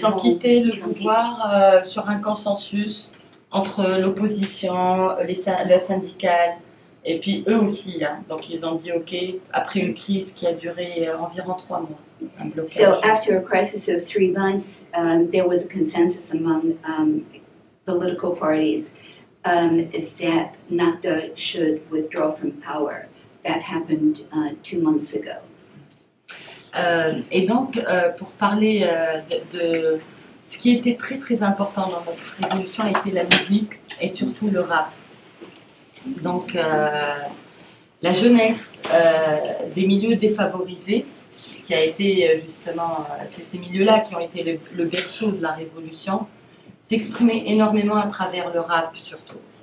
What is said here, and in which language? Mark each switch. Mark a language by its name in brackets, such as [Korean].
[French] Ils ont quitté le pouvoir sur un consensus entre l'opposition, le syndical, et puis eux aussi. Hein. Donc ils ont dit OK après une crise qui a duré environ 3 mois. Un blocage. [English] So after a crisis of 3 months, there was a consensus among political parties that Nahda should withdraw from power. That happened 2 months ago. [French] Et donc, pour parler de ce qui était très très important dans notre révolution, était la musique et surtout le rap. Donc, la jeunesse des milieux défavorisés, qui a été justement, c'est ces milieux-là qui ont été le berceau de la révolution, s'exprimait énormément à travers le rap surtout.